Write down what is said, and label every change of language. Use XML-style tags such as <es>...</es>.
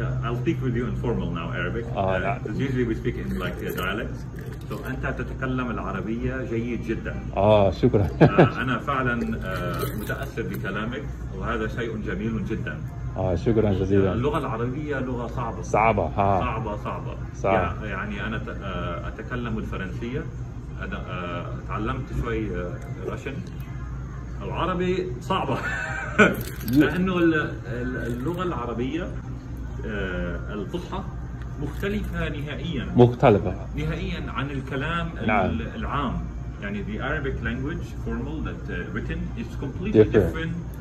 <en>I'll speak with you in formal now Arabic. Usually we speak in like dialects.</en> <ar>So أنت تتكلم العربية جيد جدا. شكرا. أنا فعلا متأثر بكلامك. وهذا شيء جميل جدا. شكرا جزيلا. اللغة العربية لغة صعبة. صعبة ها. صعبة. يعني أنا أتكلم الفرنسية. أنا تعلمت شوي رشن. العربي صعبة. لأنه اللغة العربية الفصحى مختلفة نهائيا. مختلفة. نهائيا عن الكلام نعم. العام.</ar> <en>يعني the Arabic language formal that written is completely different.</en>